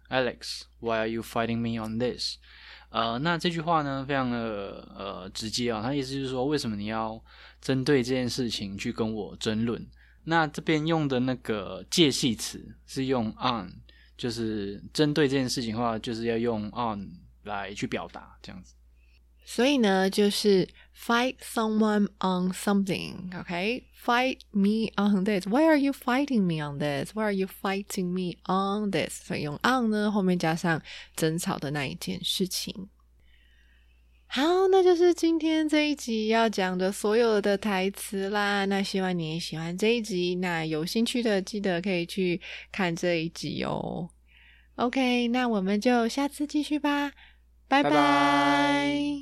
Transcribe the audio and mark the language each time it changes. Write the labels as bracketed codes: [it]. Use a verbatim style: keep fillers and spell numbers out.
[en] Alex, why are you fighting me on this? [zh] 呃，那这句话呢非常的呃直接啊，它意思就是说为什么你要针对这件事情去跟我争论。那这边用的那个介系词是用 on， 就是针对这件事情的话就是要用 on 来去表达这样子。所以呢就是 [en] fight someone on something， [zh] OK？ [en] Fight me on this， Why are you fighting me on this? Why are you fighting me on this? [zh] 所以用 on 呢后面加上争吵的那一件事情。好，那就是今天这一集要讲的所有的台词啦，那希望你也喜欢这一集，那有兴趣的记得可以去看这一集哦。OK， 那我们就下次继续吧，拜拜。